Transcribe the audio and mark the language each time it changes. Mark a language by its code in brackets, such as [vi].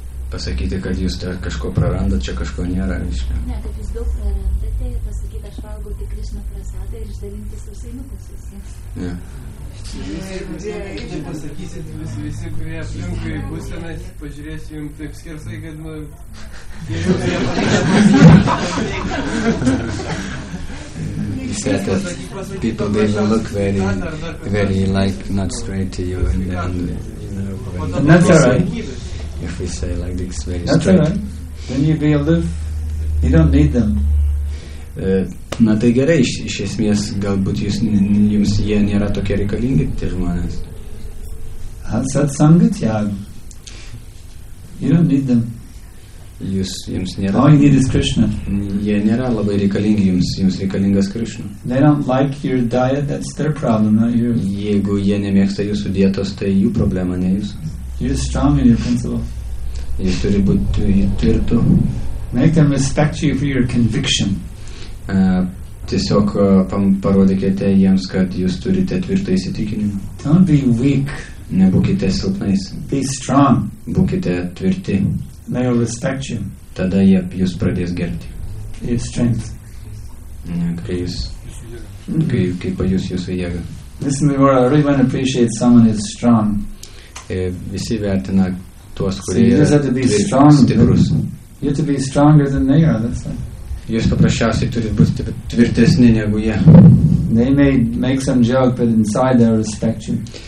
[lt] Pasakyti, kad jūs tai kažko prarandat, čia kažko nėra, reiškia. Ne, kad jūs daug prarandate ir pasakyti, aš valgau tik Krišna prasadą ir išdalinti sausainukus visiems. Ne. Jūs jai pasakysit visi, kurie aplinkui būsenas, pažiūrėsiu jums taip skersai, kad nu... [en] He said that people didn't look very, very like not straight to you, and then, you know, and that's all right. If we say like this, very that's straight. All right. Then you'd be aloof. You don't need them. [lt] Na tai gerai, iš esmės, galbūt jums jie nėra tokie reikalingi, tie žmonės. [en] Atsat sangat, [lt] jau. [en] You don't need them. [lt] Jūs, jums nėra, [en] all you need is Krishna. [lt] Jie nėra labai reikalingi jums, jums reikalingas Krishna. [en] They don't like your diet, that's their problem, not yours. [lt] Jeigu jie nemėgsta jūsų dietos, tai jų problema, ne jūsų. [en] You're strong in your principle. [lt] Jis turi būti tvirtu. [en] Make them respect you for your conviction. [lt] Tiesiog parodykite jiems, kad jūs turite tvirtą įsitikinimą. [en] Don't be weak. [lt] Nebūkite silpnais. [en] Be strong. [lt] Būkite tvirti. [en] They will respect you. [lt] Tada jie jūs pradės gerbti. [en] Your strength. [lt] Kai jūs, kai pajus jūsų jėgą. [en] Listen, we were, everyone appreciates someone who is strong. [lt] Visi vertina tuos, kurie stiprus. [en] You have to be stronger than they are, that's right. [lt] Jūs paprasčiausiai turite būti tvirtesni negu jie. [en] They may make some joke, but inside they respect you.